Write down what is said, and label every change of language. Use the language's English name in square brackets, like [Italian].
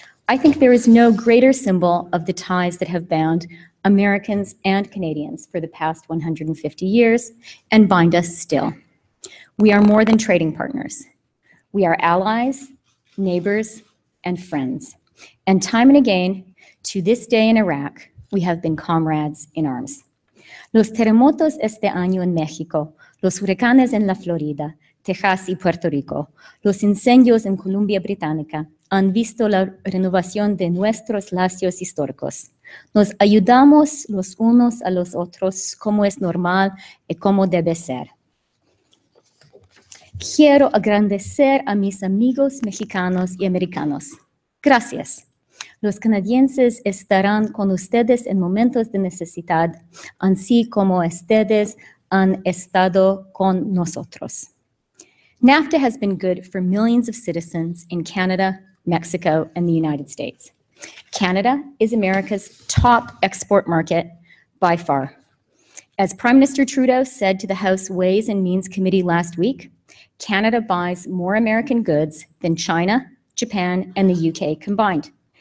[English] I think there is no greater symbol of the ties that have bound Americans and Canadians for the past 150 years and bind us still. We are more than trading partners. We are allies, neighbors, and friends. And time and again, to this day in Iraq, we have been comrades in arms. [Spanish] Los terremotos este año en México, los huracanes en la Florida, Texas y Puerto Rico, los incendios en Colombia Británica han visto la renovación de nuestros lazos históricos. Nos ayudamos los unos a los otros como es normal y como debe ser. Quiero agradecer a mis amigos mexicanos y americanos. Gracias. Los canadienses estarán con ustedes en momentos de necesidad, así como ustedes han estado con nosotros. [English] NAFTA has been good for millions of citizens in Canada, Mexico, and the United States. Canada is America's top export market by far. As Prime Minister Trudeau said to the House Ways and Means Committee last week, Canada buys more American goods than China, Japan, and the UK combined.